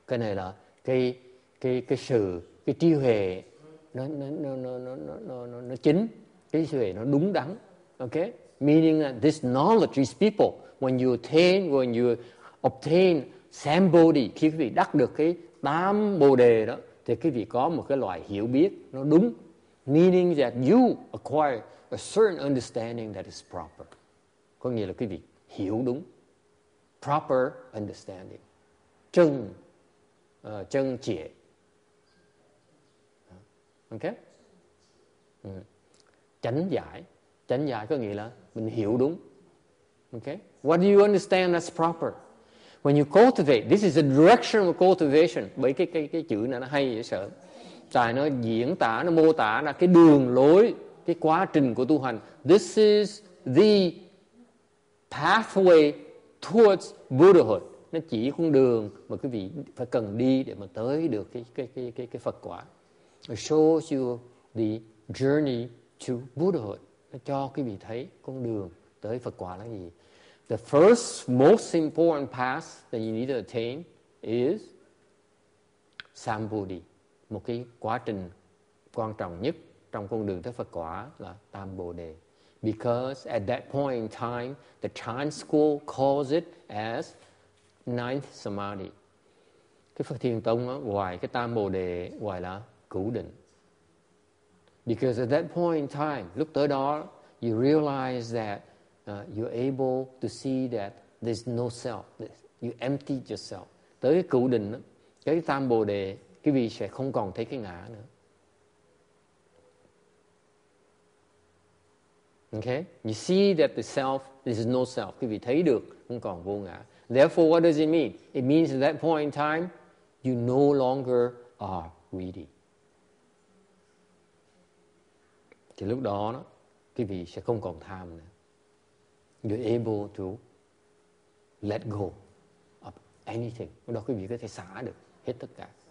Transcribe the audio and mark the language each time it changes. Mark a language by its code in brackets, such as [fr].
[vi] Cái này là cái sự cái trí huệ nó chính, cái trí huệ nó đúng đắn. Okay? [en] Meaning that this knowledge, these people, when you obtain Sambodhi, [vi] khi quý vị đắc được cái tám bồ đề đó, thì quý vị có một cái loại hiểu biết nó đúng. [en] Meaning that you acquire a certain understanding that is proper. [vi] Có nghĩa là quý vị hiểu đúng. [en] Proper understanding. [vi] Chân chỉa. [en] Okay? [vi] Chánh giải. Chánh giải có nghĩa là mình hiểu đúng. [en] Okay? What do you understand that's proper? When you cultivate, this is a direction of cultivation. [vi] Bởi cái chữ này nó hay dễ sợ. Tại nó diễn tả, nó mô tả là cái đường lối, cái quá trình của tu hành. [en] This is the pathway towards Buddhahood. [vi] Nó chỉ con đường mà quý vị phải cần đi để mà tới được cái Phật quả. [en] It shows you the journey to Buddhahood. [vi] Nó cho quý vị thấy con đường tới Phật quả là gì. [en] The first most important path that you need to attain is Sambodhi. [vi] Một cái quá trình quan trọng nhất trong con đường tới Phật quả là Tam Bồ Đề. [en] Because at that point in time, the Chan school calls it as Ninth Samadhi. [vi] Cái Phật Thiền Tông đó, ngoài cái Tam Bồ Đề, ngoài là Cửu Định. [en] Because at that point in time, [vi] lúc tới đó, [en] you realize that you're able to see that there's no self. You empty yourself. [vi] Tới cái Cửu Định, đó, cái Tam Bồ Đề, quý vị sẽ không còn thấy cái ngã nữa. [en] Okay? You see that the self, this is no self. [vi] Quý vị thấy được, không còn vô ngã. [en] Therefore, what does it mean? It means at that point in time, you no longer are greedy. [vi] Thì lúc đó, quý vị sẽ không còn tham nữa. [en] You're able to let go of anything. [vi] Lúc đó quý vị có thể xả được hết tất cả.